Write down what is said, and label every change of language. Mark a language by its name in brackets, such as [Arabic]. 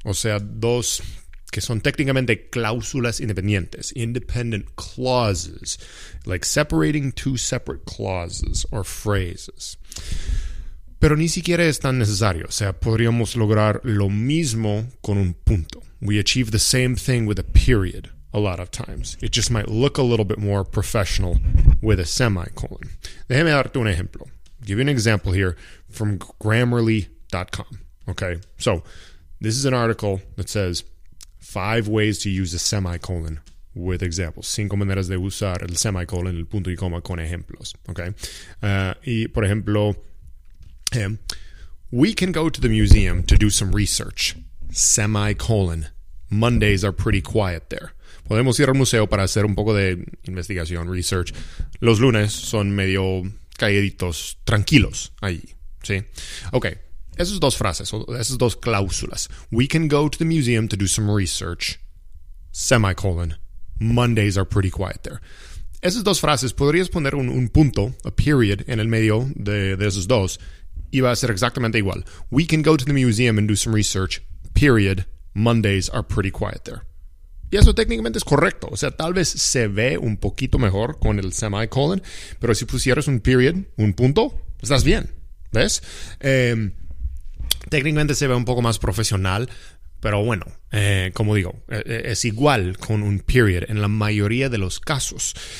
[Spanish] O sea, dos que son técnicamente cláusulas independientes. [English] Independent clauses. Like separating two separate clauses or phrases. [Spanish] Pero ni siquiera es tan necesario. O sea, podríamos lograr lo mismo con un punto. [English] We achieve the same thing with a period. A lot of times. It just might look a little bit more professional with a semicolon. [Spanish] Déjeme darte un ejemplo. [English] Give you an example here from Grammarly.com. Okay. So, this is an article that says 5 ways to use a semicolon with examples. [Spanish] 5 maneras de usar el semicolon, el punto y coma con ejemplos. [English] Okay. [Spanish] Y, por ejemplo, [English] we can go to the museum to do some research. Semicolon. Mondays are pretty quiet there. [Spanish] Podemos ir al museo para hacer un poco de investigación, research. Los lunes son medio calladitos, tranquilos allí, ¿sí? Ok, esas dos frases, esas dos cláusulas. [English] We can go to the museum to do some research. Semicolon. Mondays are pretty quiet there. [Spanish] Esas dos frases, podrías poner un punto, a period, en el medio de esos dos. Y va a ser exactamente igual. [English] We can go to the museum and do some research. Period. Mondays are pretty quiet there. [Spanish] Y eso técnicamente es correcto. O sea, tal vez se ve un poquito mejor con el semicolon, pero si pusieras un period, un punto, estás bien. ¿Ves? Técnicamente se ve un poco más profesional, Pero bueno, como digo, es igual con un period en la mayoría de los casos.